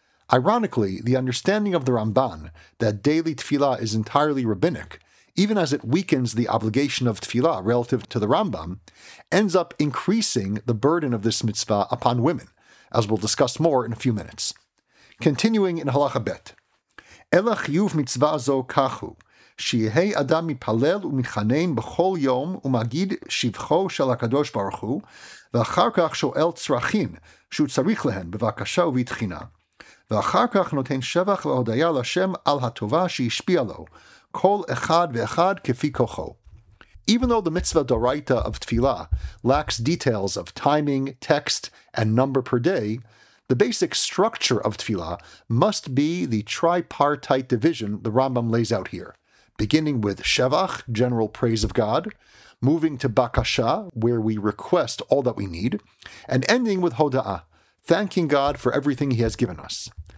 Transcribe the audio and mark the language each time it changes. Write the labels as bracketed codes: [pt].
[en] Ironically, the understanding of the Ramban that daily tefillah is entirely rabbinic, even as it weakens the obligation of tefillah relative to the Rambam, ends up increasing the burden of this mitzvah upon women, as we'll discuss more in a few minutes. Continuing in Halacha Bet, [he] Ela chiyuv mitzvah zo kachu, שיהי אדם מפלל ומחנן בכל יום ומגיד שבחו של הקדוש ברוך הוא, ואחר כך שואל צרכין שהוא צריך להן בבקשה ובתחינה. ואחר כך נותן שבח והודיה לשם על הטובה שהשפיע לו, כל אחד ואחד כפי כוחו. [en] Even though the mitzvah d'oraita of tefillah lacks details of timing, text, and number per day, the basic structure of tefillah must be the tripartite division the Rambam lays out here, beginning with shevach, general praise of God, moving to bakasha, where we request all that we need, and ending with hoda'ah, thanking God for everything he has given us.